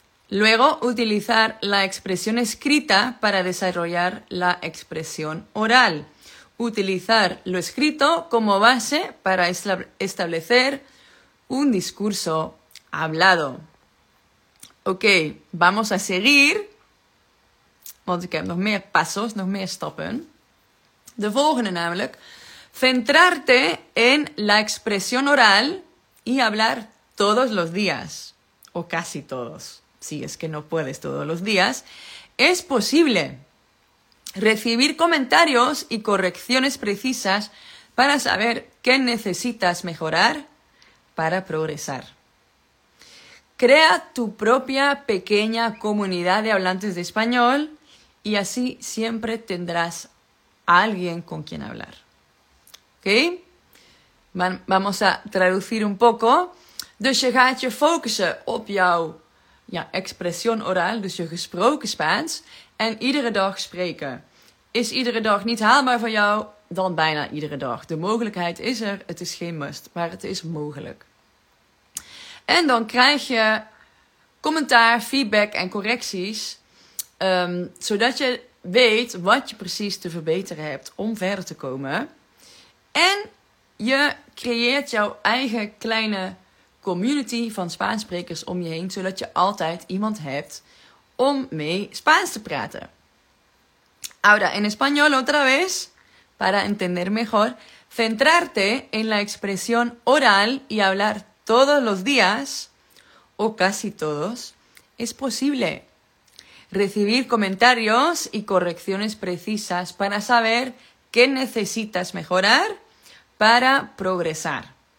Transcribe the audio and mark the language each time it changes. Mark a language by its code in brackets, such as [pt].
[es] Luego, utilizar la expresión escrita para desarrollar la expresión oral. Utilizar lo escrito como base para establecer un discurso hablado. Ok, vamos a seguir. [nl] Want ik heb nog meer pasos, nog meer stappen. De volgende namelijk. [es] Centrarte en la expresión oral y hablar todos los días. O casi todos. Si es que no puedes todos los días. Es posible recibir comentarios y correcciones precisas para saber qué necesitas mejorar para progresar. Crea tu propia pequeña comunidad de hablantes de español y así siempre tendrás a alguien con quien hablar. ¿Ok? Vamos a traducir un poco. [nl] Dus je gaat je focussen op jouw [es] expresión oral, [nl] dus je gesproken Spaans, en iedere dag spreken. Is iedere dag niet haalbaar voor jou, dan bijna iedere dag. De mogelijkheid is er, het is geen must, maar het is mogelijk. En dan krijg je commentaar, feedback en correcties, zodat je weet wat je precies te verbeteren hebt om verder te komen. En je creëert jouw eigen kleine community van Spaanssprekers om je heen, zodat je altijd iemand hebt om mee Spaans te praten. [es] Ahora, en español otra vez, para entender mejor, centrarte en la expresión oral y hablar todos los días, o casi todos, es posible recibir comentarios y correcciones precisas para saber qué necesitas mejorar para progresar.